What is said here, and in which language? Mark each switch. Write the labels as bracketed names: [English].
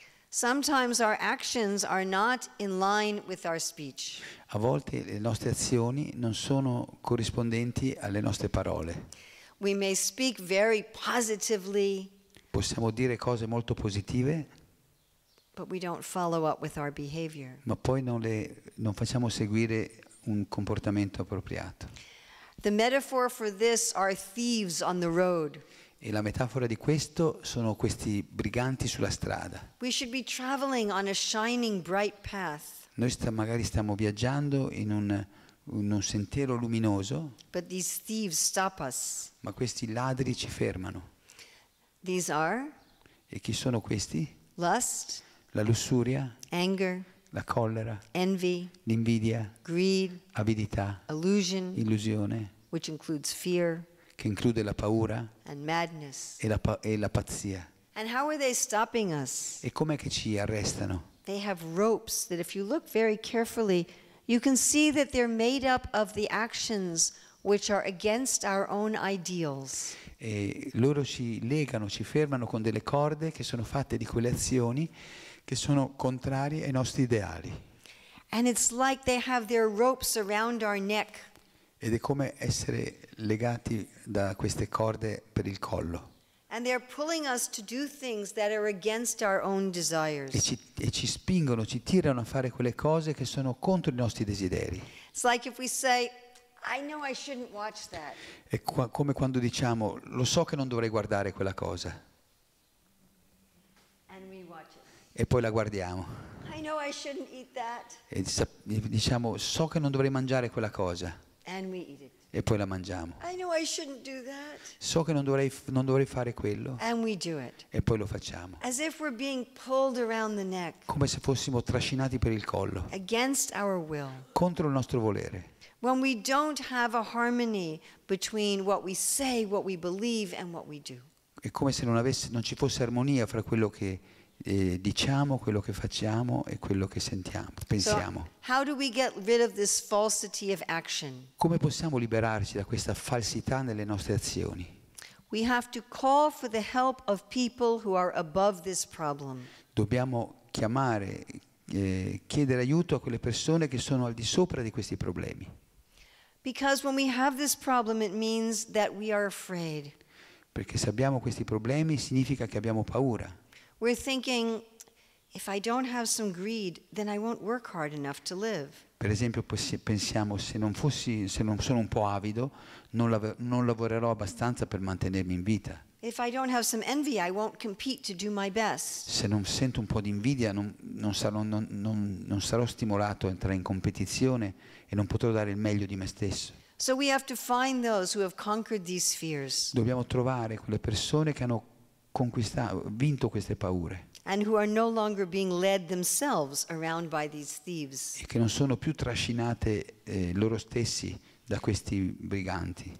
[English] Sometimes our actions are not in line with our speech. [Italian] A volte le nostre azioni non sono corrispondenti alle nostre parole. [English] We may speak very positively. [Italian] Possiamo dire cose molto positive, [English] but we don't follow up with our behavior. [Italian] Ma poi non facciamo seguire un comportamento appropriato. [English] The metaphor for this are thieves on the road. [Italian] E la metafora di questo sono questi briganti sulla strada. [English] We should be traveling on a shining bright path. [Italian] Noi magari stiamo viaggiando in un sentiero luminoso, [English] but these thieves stop us. [Italian] Ma questi ladri ci fermano. [English] These are? [Italian] E chi sono questi? [English] Lust, [Italian] la lussuria, [English] anger, [Italian] la collera, [English] envy, [Italian] l'invidia, [English] greed, [Italian] avidità, [English] illusion, [Italian] illusione, [English] which includes fear, [Italian] che include la paura, [English] and madness, [Italian] e la pazzia. [English] And how are they stopping us? [Italian] E com'è che ci arrestano? [English] They have ropes that if you look very carefully, you can see that they're made up of the actions which are against our own ideals. [Italian] E loro ci legano, ci fermano con delle corde che sono fatte di quelle azioni che sono contrarie ai nostri ideali. [English] And it's like they have their ropes around our neck. [Italian] Ed è come essere legati da queste corde per il collo. [English] And they're pulling us to do things that are against our own desires. [Italian] E ci spingono, ci tirano a fare quelle cose che sono contro i nostri desideri. [English] It's like if we say I know I shouldn't watch that. [Italian] È come quando diciamo, lo so che non dovrei guardare quella cosa. [English] And we watch it. [Italian] E poi la guardiamo. [English] I know I shouldn't eat that. [Italian] E diciamo, so che non dovrei mangiare quella cosa. [English] And we eat it. [Italian] E poi la mangiamo. [English] I know I shouldn't do that. [Italian] So che non dovrei fare quello. [English] And we do it. [Italian] E poi lo facciamo. [English] As if we're being pulled around the neck. [Italian] Come se fossimo trascinati per il collo. [English] Against our will. [Italian] Contro il nostro volere. [English] When we don't have a harmony between what we say, what we believe, and what we do. [Italian] È come se non ci fosse armonia fra quello che diciamo, quello che facciamo e quello che sentiamo, pensiamo. [English] So, how do we get rid of this falsity of action? [Italian] Come possiamo liberarci da questa falsità nelle nostre azioni? [English] We have to call for the help of people who are above this problem. [Italian] Dobbiamo chiamare, chiedere aiuto a quelle persone che sono al di sopra di questi problemi. [English] Because when we have this problem, it means that we are afraid. [Italian] Perché se abbiamo questi problemi significa che abbiamo paura. [English] We're thinking, if I don't have some greed, then I won't work hard enough to live. [Italian] Per esempio, pensiamo, se non sono un po' avido, non lavorerò abbastanza per mantenermi in vita. [English] If I don't have some envy, I won't compete to do my best. [Italian] Se non sento un po' di invidia, non sarò stimolato a entrare in competizione e non potrò dare il meglio di me stesso. [English] So we have to find those who have conquered these fears. [Italian] Dobbiamo trovare quelle persone che hanno vinto queste paure. [English] And who are no longer being led themselves around by these thieves. [Italian] E che non sono più trascinate loro stessi da questi briganti.